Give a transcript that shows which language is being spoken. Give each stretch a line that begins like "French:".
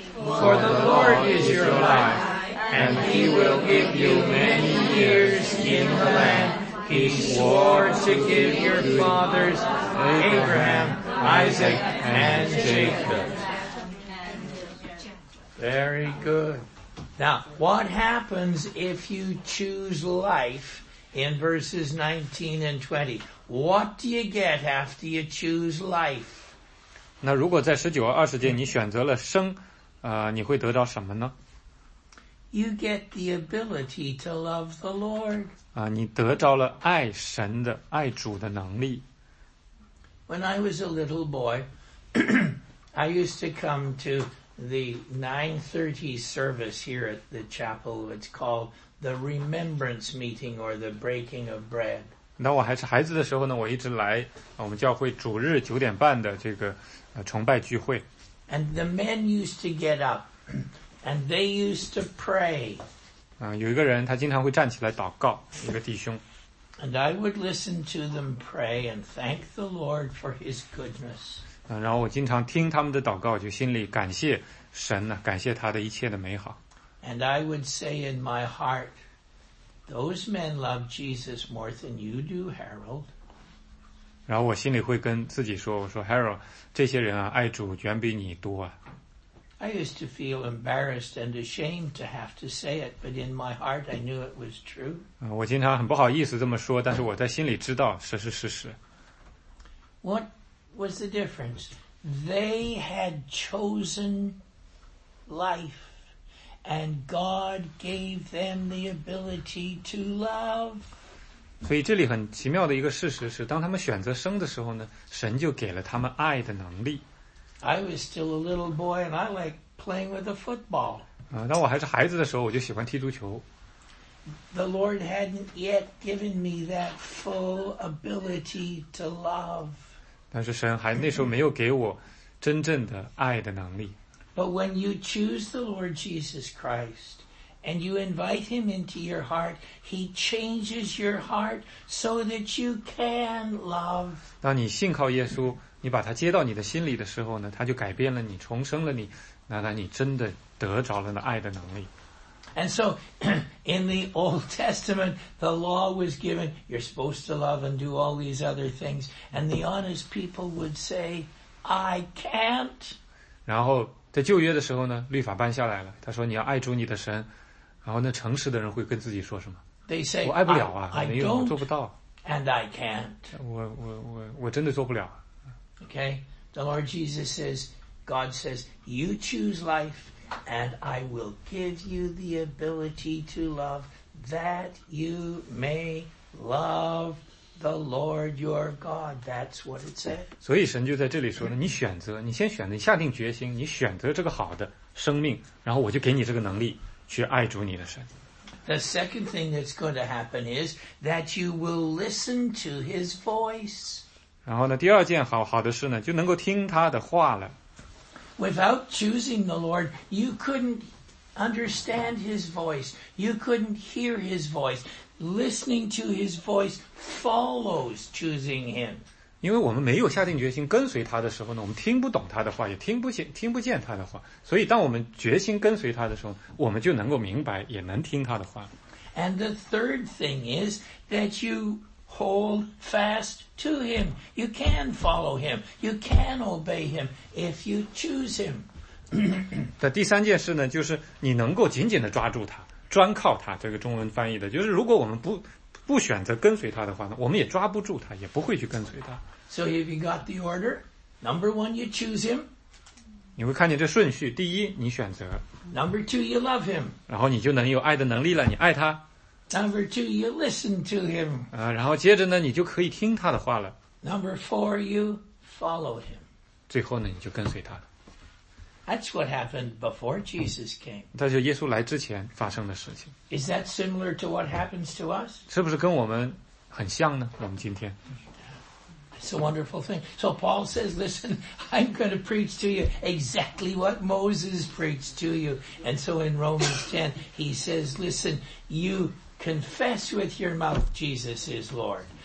English: For the Lord is your life, and he will give you many years in the land he swore to give your fathers, Abraham, Isaac, and Jacob. Very good. Now, what happens if you choose life in verses 19 and 20? What do you get after you choose life?
Chinese: 那如果在19和20节你选择了生，你会得到什么呢？
English: you get the ability to love the Lord.
Chinese: 啊，你得着了爱神的、爱主的能力。
English: When I was a little boy, I used to come to the 9:30 service here at the chapel. It's called the Remembrance Meeting or the Breaking of Bread.
Chinese: 那我还是孩子的时候呢，我一直来我们教会主日九点半的这个崇拜聚会。
English: And the men used to get up, and they used to pray.
Chinese: 有一个人他经常会站起来祷告，一个弟兄。
English: And I would listen to them pray and thank the Lord for His goodness.
Chinese: 然后我经常听他们的祷告，就心里感谢神呢，感谢他的一切的美好。
English: And I would say in my heart. Those men love Jesus more than you do, Harold.
Chinese: 然后我心里会跟自己说，我说 Harold, 这些人啊，爱主远比你多啊。
English: I used to feel embarrassed and ashamed to have to say it, but in my heart I knew it was true.
Chinese: 我经常很不好意思这么说，但是我在心里知道这是事实。
English: What was the difference? They had chosen life. And God gave them the ability to love.
Chinese: 所以这里很奇妙的一个事实是，当他们选择生的时候呢，神就给了他们爱的能力。
English: I was still a little boy, and I liked playing with a football.
Chinese: 当我还是孩子的时候，我就喜欢踢足球。
English: The Lord hadn't yet given me that full ability to love.
Chinese: 但是神还那时候没有给我真正的爱的能力。
English: But when you choose the Lord Jesus Christ and you invite Him into your heart, He changes your heart so that you can love.
Chinese: 当你信靠耶稣，你把他接到你的心里的时候呢，他就改变了你，重生了你，那你真的得着了那爱的能力。
English: And so, in the Old Testament, the law was given, you're supposed to love and do all these other things, and the honest people would say, I can't.
Chinese: 然后在旧约的时候呢，律法颁下来了。他说：“你要爱主你的神。” 然后那诚实的人会跟自己说什么
English: ？They say,
Chinese: 我爱不了啊，没有，我做不到。
English: And I can't.
Chinese: 我真的做不了。
English: Okay, the Lord Jesus says, God says, you choose life, and I will give you the ability to love that you may love the Lord your God. That's what it says.
Chinese: 所以神就在这里说了，你选择，你先选择，你下定决心，你选择这个好的生命，然后我就给你这个能力去爱主你的神。
English: The second thing that's going to happen is that you will listen to His voice.
Chinese: 然后呢，第二件好的事呢，就能够听他的话了。
English: Without choosing the Lord, you couldn't understand His voice. You couldn't hear His voice. Listening to His voice follows choosing Him.
Chinese: 因为我们没有下定决心跟随他的时候呢，我们听不懂他的话，也听不见他的话。所以，当我们决心跟随他的时候，我们就能够明白，也能听他的话。
English: And the third thing is that you hold fast to Him. You can follow Him. You can obey Him if you choose Him.
Chinese: 那第三件事呢，就是你能够紧紧地抓住他。专靠他，这个中文翻译的就是，如果我们不选择跟随他的话呢，我们也抓不住他，也不会去跟随他。
English: So if you got the order, number one, you choose him.
Chinese: 你会看见这顺序：第一，你选择
English: ；number two, you love him.
Chinese: 然后你就能有爱的能力了，你爱他
English: ；number two, you listen to him.
Chinese: 然后接着呢，你就可以听他的话了
English: ；number four, you follow him.
Chinese: 最后呢，你就跟随他了。
English: That's what happened before Jesus came.
Chinese: 这就耶稣来之前发生的事情。
English: Is that similar to what happens to us?
Chinese: 是不是跟我们很像呢？我们今天。
English: It's a wonderful thing. So Paul says, listen, I'm going to preach to you exactly what Moses preached to you. And so in Romans 10, he says, listen, you confess with your mouth Jesus is Lord.